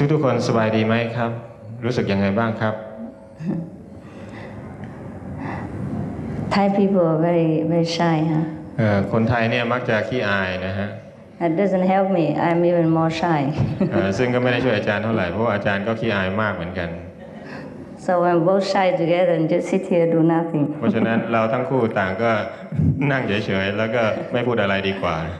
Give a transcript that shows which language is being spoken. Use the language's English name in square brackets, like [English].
[Thai] ทุกคนสบายดีไหมครับรู้สึกยังไงบ้างครับ [English] Thai people are very very shy huh [Thai] คนไทยเนี่ยมักจะขี้อายนะฮะ [English] That doesn't help me I'm even more shy [Thai] ซึ่งก็ไม่ได้ช่วยอาจารย์เท่าไหร่เพราะอาจารย์ก็ขี้อายมากเหมือนกัน [English] So we're both shy together and just sit here do nothing [Thai] เพราะฉะนั้นเราทั้งคู่ต่างก็นั่งเฉยๆแล้วก็ไม่พูดอะไรดีกว่า